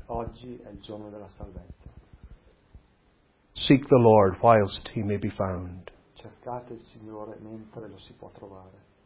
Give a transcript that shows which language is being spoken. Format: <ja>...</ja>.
<it>Oggi è il giorno della salvezza.</it> <en>Seek the Lord whilst he may be found.</en> <it>Cercate il Signore mentre lo si può trovare.</it>